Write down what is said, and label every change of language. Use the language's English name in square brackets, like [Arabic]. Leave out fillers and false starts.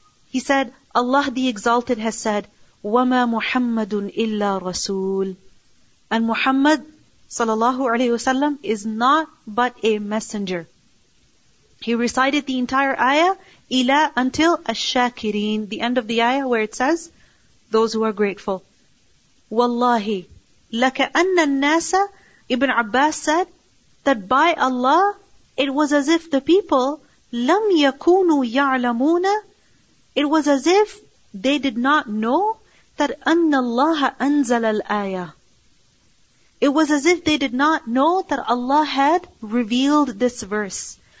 [English] He said, Allah the Exalted has said, [Arabic] وَمَا مُحَمَّدٌ إِلَّا رَسُولٌ. [English] And Muhammad صلى الله عليه وسلم is not but a messenger. He recited the entire ayah, [Arabic] إِلَى [English] until الشَّاكِرِينَ, the end of the ayah where it says, those who are grateful. Wallahi, [Arabic] لَكَأَنَّ النَّاسَ. [English] Ibn Abbas said that by Allah, it was as if the people, [Arabic] لَمْ يَكُونُوا يَعْلَمُونَ. [English] It was as if they did not know that [Arabic] أَنَّ اللَّهَ أَنزَلَ الْآيَةِ. [English] It was as if they did not know that Allah had revealed this verse.